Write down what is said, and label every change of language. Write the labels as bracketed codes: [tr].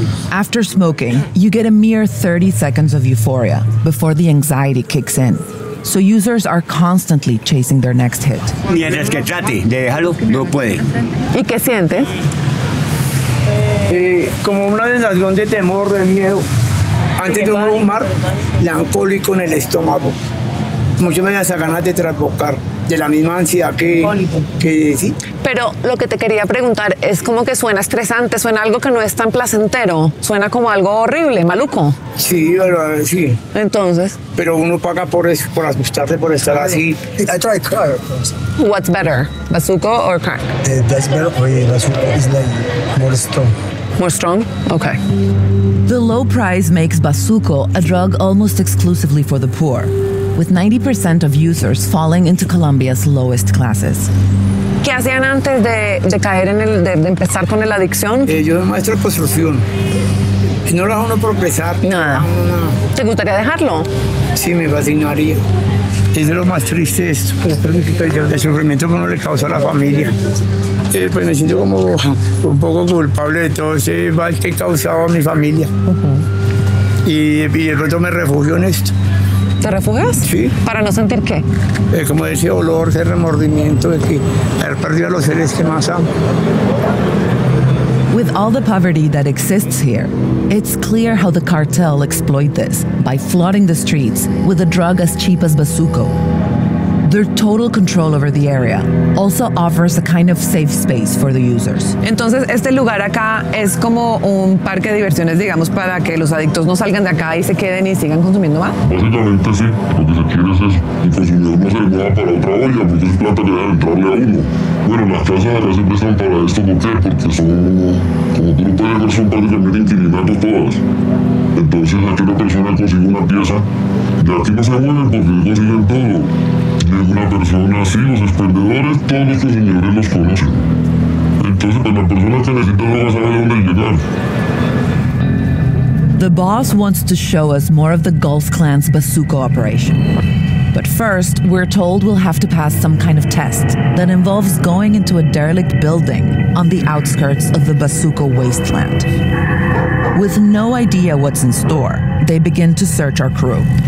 [en] After smoking, you get a mere 30 seconds of euphoria before the anxiety kicks in. So users are constantly chasing their next hit. [es] Mientras que trate de dejarlo, no puede. ¿Y qué sientes? Como una sensación de temor, de miedo. Antes de fumar, melancólico en el estómago. Muchas veces a ganas de trasbocar, de la misma ansiedad que sí. Pero lo que te quería preguntar es como que suena estresante, suena algo que no es tan placentero, suena como algo horrible, maluco. Sí, pero, sí. Entonces. Pero uno paga por eso, por asustarse, por estar así. [en] I try crack. What's better, basuco or crack? That's better. Oye, basuco is like more strong. More strong? Okay. The low price makes basuco a drug almost exclusively for the poor, with 90% of users falling into Colombia's lowest classes. [es] ¿Qué hacían antes de caer en el, de empezar con la adicción? Yo soy maestro de construcción. Y no lo hago uno por pesar. Nada. No. ¿Te gustaría dejarlo? Sí, me fascinaría. Es de lo más triste esto. El sufrimiento que uno le causa a la familia. Pues me siento como un poco culpable de todo ese mal que he causado a mi familia. Y de pronto me refugio en esto. ¿Te refugias? Sí. ¿Para no sentir qué? Como ese olor, ese remordimiento de que haber perdido a los seres que más amo. [en] With all the poverty that exists here, it's clear how the cartel exploit this by flooding the streets with a drug as cheap as Basuco. Their total control over the area also offers a kind of safe space for the users. [es] Entonces, este lugar acá es como un parque de diversiones, digamos, para que los adictos no salgan de acá y se queden y sigan consumiendo más. Básicamente sí, lo que se quiere es un consumidor no se mueva para otra olla, porque es plata que deben entrarle a uno. Bueno, las casas acá siempre están para esto, ¿por qué? Porque son, como tú no puedes llegar, son prácticamente inquilinatos todas. Entonces, aquí una persona consigue una pieza, y aquí no se mueven porque consiguen todo. Una persona así, los expendedores, todos los consumidores los conocen. Entonces, pues la persona que necesita no va a saber dónde llegar. [en] The boss wants to show us more of the Gulf Clan's Basuco operation. But first, we're told we'll have to pass some kind of test that involves going into a derelict building on the outskirts of the Basuco wasteland. With no idea what's in store, they begin to search our crew.